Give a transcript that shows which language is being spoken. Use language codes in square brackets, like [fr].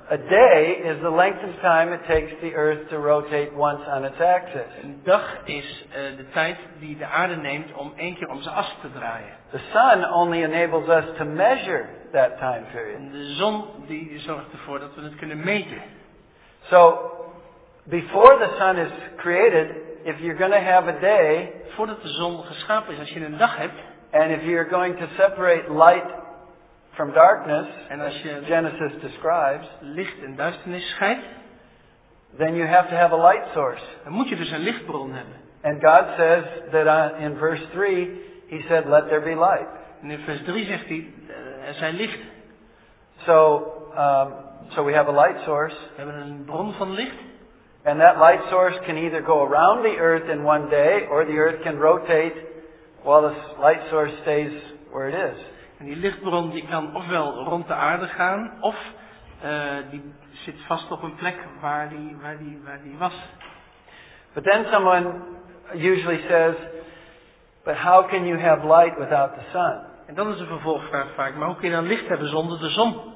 [en] A day is the length of time it takes the earth to rotate once on its axis. [nl] Een dag is de tijd die de aarde neemt om één keer om zijn as te draaien. [en] The sun only enables us to measure that time period. [nl] En de zon die zorgt ervoor dat we het kunnen meten. [en] So, before the sun is created, if you're going to have a day, [nl] voordat de zon geschapen is, als je een dag hebt, [en] and if you're going to separate light from darkness, [nl] en als je [en] Genesis describes, [nl] licht en duisternis scheidt, [en] then you have to have a light source. [nl] Dan moet je dus een lichtbron hebben. [en] And God says that in verse 3, he said, let there be light. [nl] En in vers 3 zegt hij, er zijn licht. [en] So we have a light source. [nl] We hebben een bron van licht. [en] And that light source can either go around the earth in one day, or the earth can rotate while the light source stays where it is. [nl] En die lichtbron die kan ofwel rond de aarde gaan, of die zit vast op een plek waar die was. [en] But then someone usually says, but how can you have light without the sun? [nl] En dan is de vervolgvraag vaak, maar hoe kun je dan licht hebben zonder de zon?